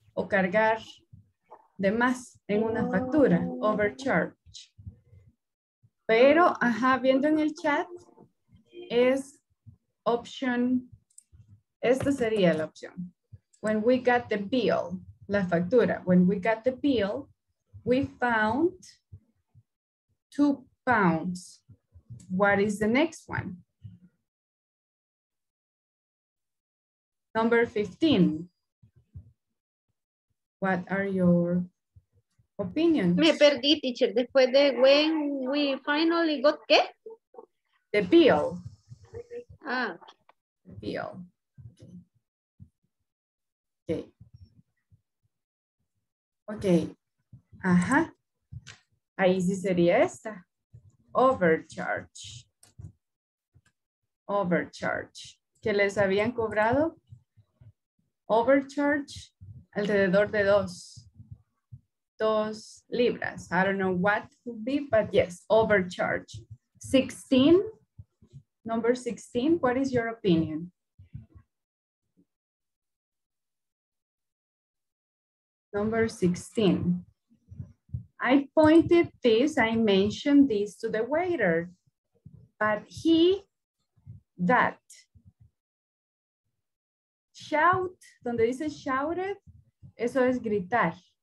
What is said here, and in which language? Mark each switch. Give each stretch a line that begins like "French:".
Spanish: O cargar de más en una factura, overcharge. Pero, ajá, viendo en el chat, es opción, esta sería la opción.
English: When we got the bill,
Spanish: la factura,
English: when we got the bill, we found 2 pounds. What is the next one? Number 15. What are your opinions?
Spanish: Me perdí, teacher. Después de
English: when we finally got
Spanish: qué?
English: The bill. Ah. The bill. Okay.
Spanish: Okay. Ajá. Ahí sí sería esta. Overcharge. overcharge, que les habían cobrado overcharge alrededor de dos libras.
English: I don't know what would be, but yes, overcharge. 16, number 16, what is your opinion? Number 16. I pointed this, I mentioned this to the waiter, but he, that, shout,
Spanish: donde dice shouted, eso es gritar.